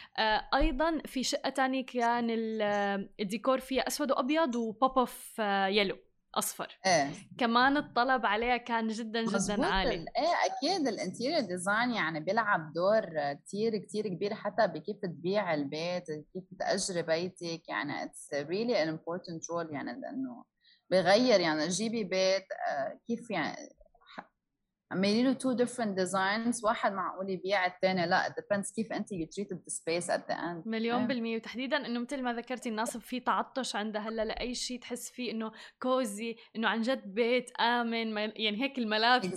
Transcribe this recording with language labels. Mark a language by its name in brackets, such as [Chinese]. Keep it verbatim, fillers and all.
[Arabic] آه أيضاً في شقة تانية كان الديكور فيها أسود وأبيض وبوب أوف آه يلو أصفر. إيه. كمان الطلب عليها كان جداً جداً عالي. إيه أكيد الانتيريور ديزاين يعني بيلعب دور كتير كتير كبير حتى بكيف تبيع البيت، كيف تأجر بيتك. يعني [English] it's really an important role. [Arabic] يعني لأنه بغير يعني جيبي بيت آه كيف يعني عمليله [English] two different designs، [Arabic] واحد معقول يبيع الثاني لا. [English] it depends [Arabic] كيف أنت [English] you treated the space at the end. [Arabic] مليون بالمية. وتحديدا إنه مثل ما ذكرتي الناس في تعطش عندها هلا لأي شيء تحس فيه إنه كوزي، إنه عن جد بيت آمن يعني هيك الملاذ [English] exactly.